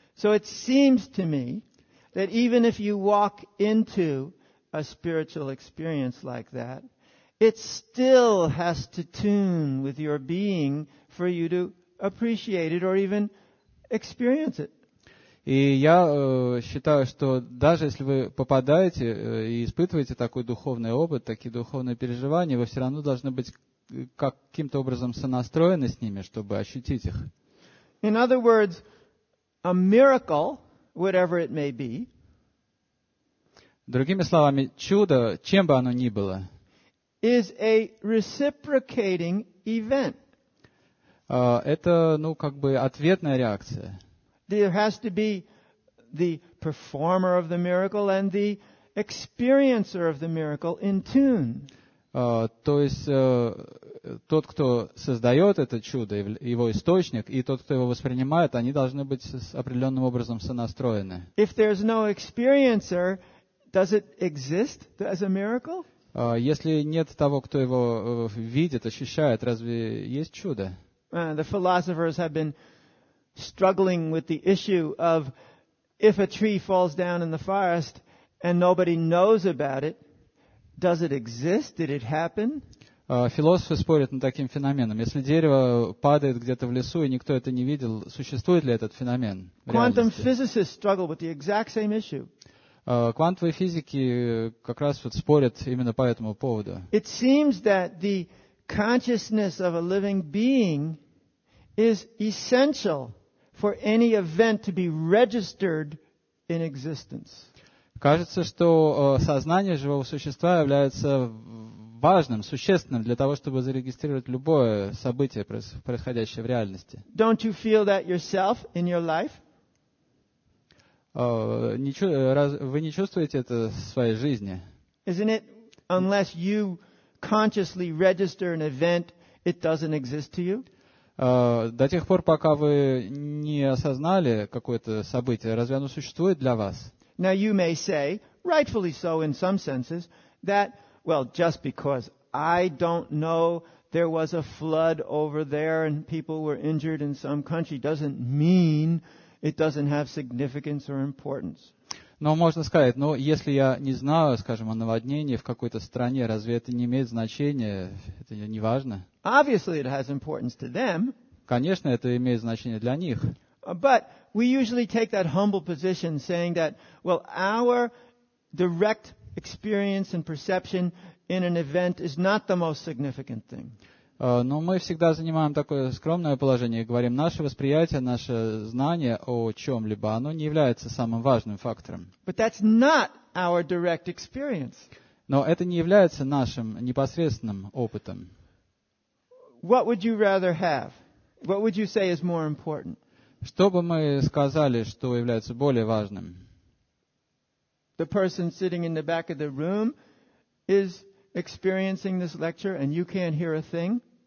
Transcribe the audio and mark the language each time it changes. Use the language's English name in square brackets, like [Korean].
[English] So it seems to me that even if you walk into a spiritual experience like that, it still has to tune with your being for you to appreciate it or even experience it. [Russian] И я считаю, что даже если вы попадаете и испытываете такой духовный опыт, такие духовные переживания, вы все равно должны быть каким-то образом сонастроены с ними, чтобы ощутить их. [English] In other words, a miracle, whatever it may be. [Russian] Другими словами, чудо, чем бы оно ни было. [English] Is a reciprocating event. [Russian] Это, как бы ответная реакция. [English] There has to be the performer of the miracle and the experiencer of the miracle in tune. [Russian] То есть тот, кто создает это чудо, его источник, и тот, кто его воспринимает, они должны быть с определенным образом сонастроены. [English] If there's no experiencer, does it exist as a miracle? [Russian] Если нет того, кто его видит, ощущает, разве есть чудо? [English] The philosophers have been struggling with the issue of if a tree falls down in the forest and nobody knows about it, does it exist? Did it happen? [Russian] Философы спорят над таким феноменом. Если дерево падает где-то в лесу и никто это не видел, существует ли этот феномен? [English] Quantum physicists struggle with the exact same issue. [Russian] Квантовые физики как раз вот спорят именно по этому поводу. [English] It seems that the consciousness of a living being is essential for any event to be registered in existence. [Russian] Кажется, что сознание живого существа является важным, существенным для того, чтобы зарегистрировать любое событие, происходящее в реальности. [English] Don't you feel that yourself in your life? [Russian] Вы не чувствуете это в своей жизни? [English] Isn't it, unless you consciously register an event, it doesn't exist to you? [Russian] До тех пор, пока вы не осознали какое-то событие, разве оно существует для вас? [English] Now you may say, rightfully so in some senses, that, well, just because I don't know there was a flood over there and people were injured in some country doesn't mean it doesn't have significance or importance. [Russian] Но можно сказать, если я не знаю, скажем, о наводнении в какой-то стране, разве это не имеет значения? Это не важно? [English] Obviously it has importance to them. [Russian] Конечно, это имеет значение для них. [English] But we usually take that humble position saying that, well, our direct experience and perception in an event is not the most significant thing. [Russian] Но мы всегда занимаем такое скромное положение и говорим, наше восприятие, наше знание о чем-либо, оно не является самым важным фактором. [English] But that's not our direct experience. [Russian] Но это не является нашим непосредственным опытом. [English] What would you rather have? What would you say is more important? [Russian] Что бы мы сказали, что является более важным? [English] The person sitting in the back of the room is experiencing this lecture and you can't hear a thing?